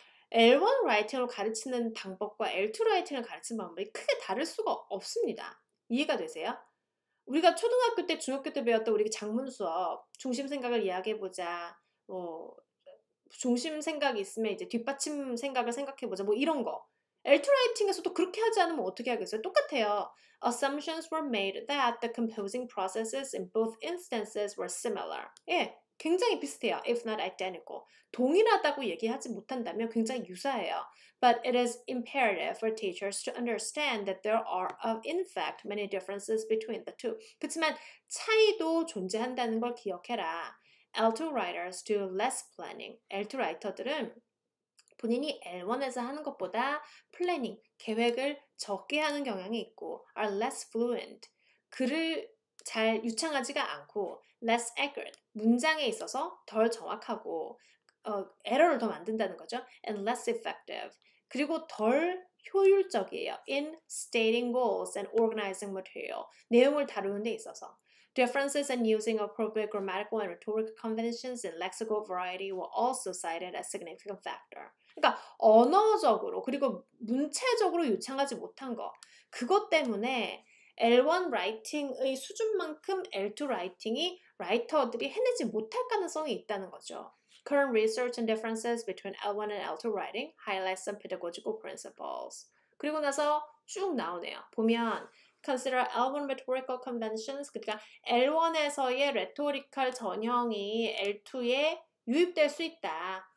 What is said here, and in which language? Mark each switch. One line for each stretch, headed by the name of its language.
Korean: L1 라이팅을 가르치는 방법과 L2 라이팅을 가르치는 방법이 크게 다를 수가 없습니다. 이해가 되세요? 우리가 초등학교 때, 중학교 때 배웠던 우리 작문 수업, 중심 생각을 이야기해보자, 뭐, 중심 생각이 있으면 이제 뒷받침 생각을 생각해보자, 뭐 이런 거. L2 라이팅에서도 그렇게 하지 않으면 어떻게 하겠어요? 똑같아요.
English: Assumptions were made that the composing processes in both instances were similar.
Korean: 예. 굉장히 비슷해요.
English: If not identical.
Korean: 동일하다고 얘기하지 못한다면 굉장히 유사해요.
English: But it is imperative for teachers to understand that there are, in fact, many differences between the two.
Korean: 그렇지만 차이도 존재한다는 걸 기억해라.
English: L2 writers do less planning.
Korean: L2 라이터들은 본인이 L1에서 하는 것보다 플래닝, 계획을 적게 하는 경향이 있고,
English: are less fluent.
Korean: 글을 잘 유창하지가 않고
English: less accurate,
Korean: 문장에 있어서 덜 정확하고 에러를 더 만든다는 거죠.
English: And less effective,
Korean: 그리고 덜 효율적이에요.
English: In stating goals and organizing material,
Korean: 내용을 다루는 데 있어서.
English: Differences in using appropriate grammatical and rhetoric conventions and lexical variety were also cited as significant factor.
Korean: 그러니까 언어적으로 그리고 문체적으로 유창하지 못한 거. 그것 때문에 L1 라이팅의 수준만큼 L2 라이팅이 라이터들이 해내지 못할 가능성이 있다는 거죠.
English: Current research and differences between L1 and L2 writing highlights some pedagogical principles.
Korean: 그리고 나서 쭉 나오네요. 보면
English: consider L1 rhetorical conventions.
Korean: 그러니까 L1에서의 레토리컬 전형이 L2에 유입될 수 있다.